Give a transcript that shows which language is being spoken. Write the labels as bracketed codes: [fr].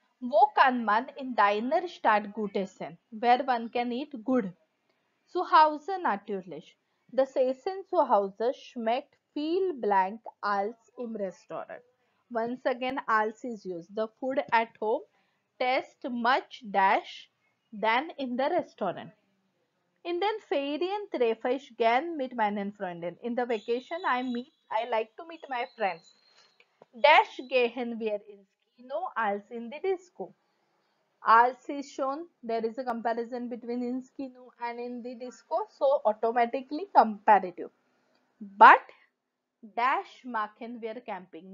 [de] Wo kann man in deiner Stadt gut essen? [en] Where one can eat good? [de] Zu Hause natürlich. Das Essen zu Hause schmeckt viel blank als im Restaurant. [en] Once again, als is used. The food at home tastes much dash than in the restaurant. [de] In den Ferien treffe ich gern mit meinen Freunden. [en] In the vacation, I like to meet my friends. Dash [de] gehen wir ins Kino als [en] in the disco. Als is shown, there is a comparison between [de] ins Kino [en] and in the disco, so automatically comparative. But dash [de] machen wir [en] camping.